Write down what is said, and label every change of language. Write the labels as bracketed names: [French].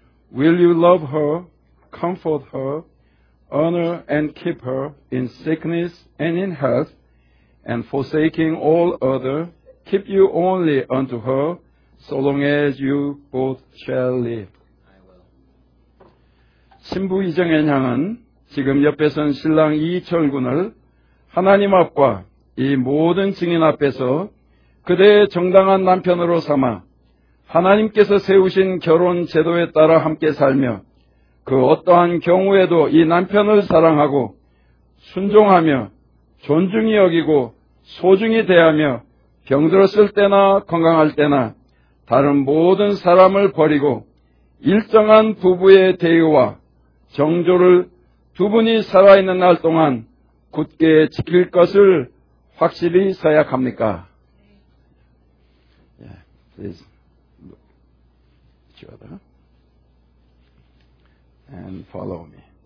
[English] Will you love her, comfort her, honor and keep her in sickness and in health, and forsaking all other, keep you only unto her, so long as you both shall live? [Korean] 신부 이정현 양은 지금 옆에선 신랑 이철 군을 하나님 앞과 이 모든 증인 앞에서 그대의 정당한 남편으로 삼아 하나님께서 세우신 결혼 제도에 따라 함께 살며 그 어떠한 경우에도 이 남편을 사랑하고 순종하며 존중히 여기고 소중히 대하며 병들었을 때나 건강할 때나 다른 모든 사람을 버리고 일정한 부부의 대우와 정조를 두 분이 살아있는 날 동안 굳게 지킬 것을 확실히 서약합니까? [English] Please look at each other and follow me.